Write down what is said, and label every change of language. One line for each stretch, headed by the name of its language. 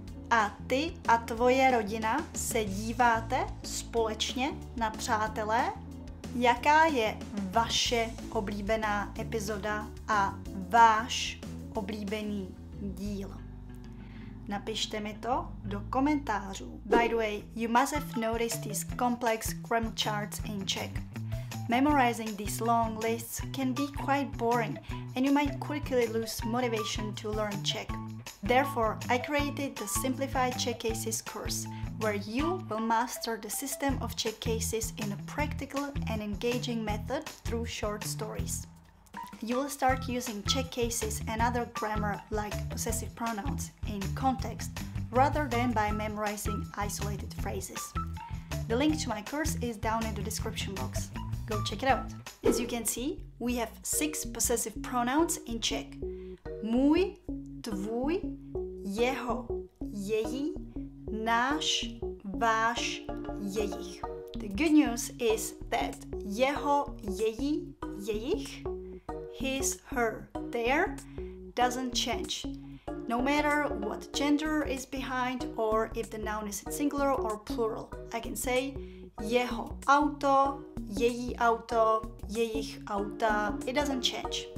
Czech: A ty a tvoje rodina se díváte společně na Přátelé? Jaká je vaše oblíbená epizoda a váš oblíbený díl? Napište mi to do komentářů.
English: By the way, you must have noticed these complex grammar charts in Czech. Memorizing these long lists can be quite boring and you might quickly lose motivation to learn Czech. Therefore, I created the Simplified Czech Cases course, where you will master the system of Czech cases in a practical and engaging method through short stories. You will start using Czech cases and other grammar like possessive pronouns in context rather than by memorizing isolated phrases. The link to my course is down in the description box. Go check it out. As you can see, we have six possessive pronouns in Czech.
Czech: Můj, tvůj, jeho, její, náš, váš, jejich.
English: The good news is that
Czech: jeho, její, jejich,
English: his, her, their, doesn't change. No matter what gender is behind or if the noun is singular or plural, I can say
Czech: jeho auto, její auto, jejich auta.
English: It doesn't change.